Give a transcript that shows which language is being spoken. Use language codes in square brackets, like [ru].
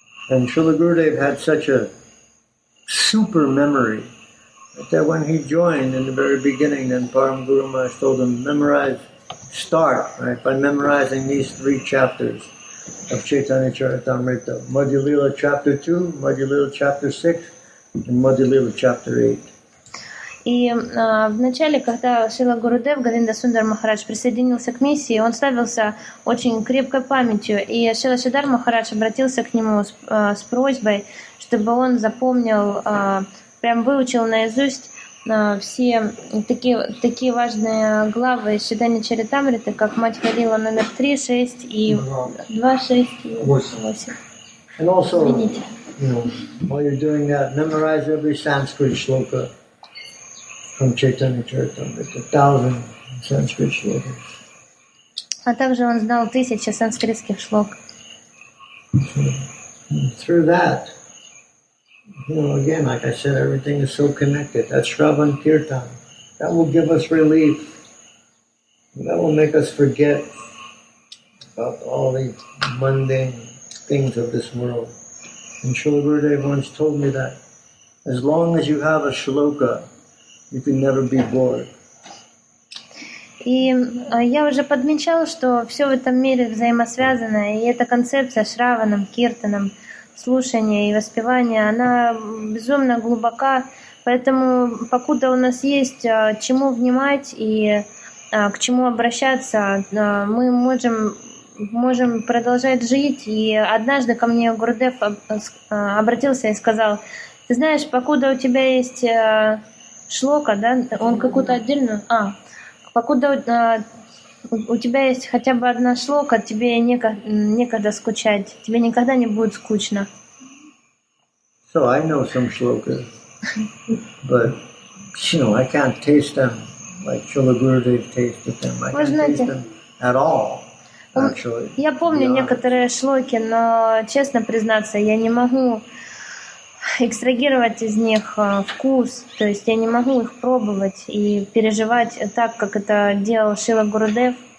[en] And Srila Gurudev had such a super memory. that when he joined in the very beginning, then Param Guru Maharaj told him, memorize, start, right, by memorizing these three chapters of Chaitanya Charitamrita, Madhya Lila chapter 2, Madhya Lila chapter 6, and Madhya Lila chapter 8. [ru] И в начале, когда Шрила Гурудев Говинда Сундар Махарадж присоединился к миссии, он славился очень крепкой памятью. И Шрила Шридхар Махарадж обратился к нему с просьбой, чтобы он запомнил, прям выучил наизусть все такие важные главы Чайтанья Чаритамриты, как Матхья Лила номер 3, 6 и 2, 6 и 8. Извините. [en] While you're doing that, memorize every Sanskrit shloka from Chaitanya Charitamrita, 1,000 Sanskrit shlokas. [ru] А также он знал 1,000 санскритских шлок. [en] Through that, you know, again, like I said, everything is so connected. That Shravan Kirtan, that will give us relief. That will make us forget about all the mundane things of this world. And Srila Gurudev once told me that as long as you have a shloka, you can never be bored. [ru] И я уже подмечала, что все в этом мире взаимосвязано, и эта концепция Шраванам, Киртанам, слушания и воспевания, она безумно глубока. Поэтому, покуда у нас есть чему внимать и к чему обращаться, мы можем продолжать жить. И однажды ко мне Гурудев обратился и сказал: «Ты знаешь, покуда у тебя есть шлока, да, он какую-то отдельную, покуда у тебя есть хотя бы одна шлока, тебе некогда скучать, тебе никогда не будет скучно». [en] So I know some shlokas, but you know, I can't taste them like Srila Gurudev tasted them. I can't taste them at all. Actually, [ru] я помню некоторые шлоки, но честно признаться, я не могу экстрагировать из них вкус, то есть я не могу их пробовать и переживать так, как это делал Шрила Гурудев.